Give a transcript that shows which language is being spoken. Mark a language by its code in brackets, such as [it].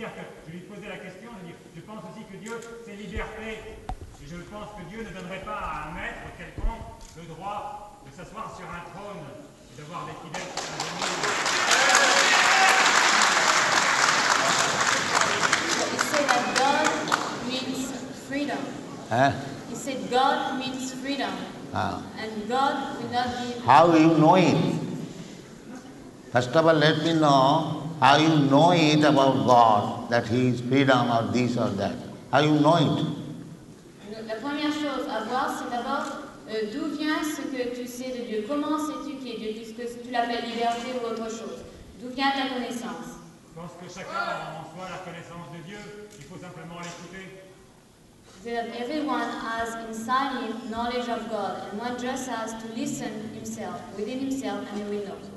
[en] said that God means freedom. He said God means freedom. Ah. And God will not give. How do you know it? First of all, let me know how you know it about God, that He is freedom or this or that. How you know it? [fr] La première chose à voir, c'est d'abord d'où vient ce que tu sais de Dieu. Comment sais-tu qui est Dieu, puisque tu l'appelles liberté ou autre chose. D'où vient ta connaissance? Je pense que chacun a en soi la connaissance de Dieu. Il faut simplement l'écouter. [en] Everyone has inside him knowledge of God, and one just has to listen himself, within himself, and he will know.